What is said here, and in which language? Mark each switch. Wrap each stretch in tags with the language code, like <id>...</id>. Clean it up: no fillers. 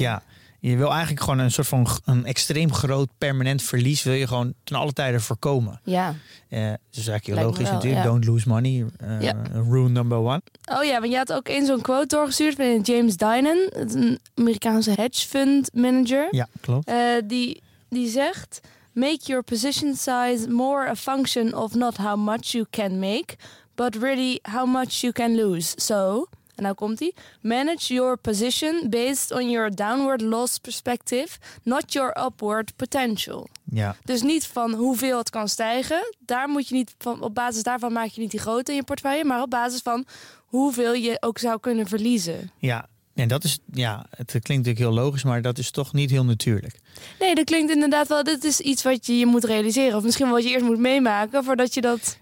<nl>Ja, je wil eigenlijk gewoon een soort van een extreem groot permanent verlies wil je gewoon ten alle tijde voorkomen. Ja. Dat is eigenlijk heel logisch natuurlijk.</nl> <en>Ja. Don't lose money. Rule number one.</en> <nl>Oh ja, want je had ook één zo'n quote doorgestuurd van James Dinan, een Amerikaanse hedge fund manager. Ja, klopt. Die zegt,</nl> <en>make your position size more a function of not how much you can make, but really how much you can lose. So,</en> <nl>en nou komt hij.</nl> <en>Manage your position based on your downward loss perspective, not your upward potential.</en> <nl>Ja. Dus niet van hoeveel het kan stijgen. Daar moet je niet van, op basis daarvan maak je niet die grootte in je portefeuille, maar op basis van hoeveel je ook zou kunnen verliezen. Ja, En dat is, ja, het klinkt natuurlijk heel logisch, maar dat is toch niet heel natuurlijk. Nee, dat klinkt inderdaad wel, dit is iets wat je moet realiseren. Of misschien wat je eerst moet meemaken voordat je dat.</nl>